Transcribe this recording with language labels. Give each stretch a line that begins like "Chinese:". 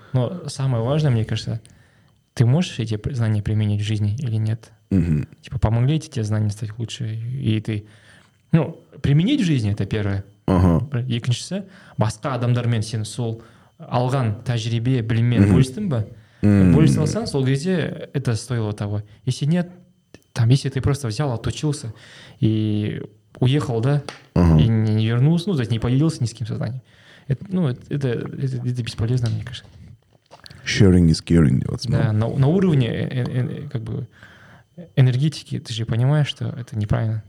Russian: Но самое важное, мне кажется, ты можешь эти знания применить в жизни или нет? Угу. Типа, помогли эти знания стать лучше? И ты... Ну, применить в жизни — это первое. Ага.
Kazakh: Екіншісі, басқа адамдармен сен сол алған тәжірибе, біліммен бөлістің ба? Бөлісті алсаң, сол кезде это стоило того.
Russian: Если нет, там, если ты просто взял, отучился и уехал, да? Ага. И не вернулся, ну, то есть не поделился ни с кем сознанием. Это бесполезно, мне кажется.
English: Sharing is caring.
Russian: Вот, да, на уровне как бы энергетики ты же понимаешь, что это неправильно.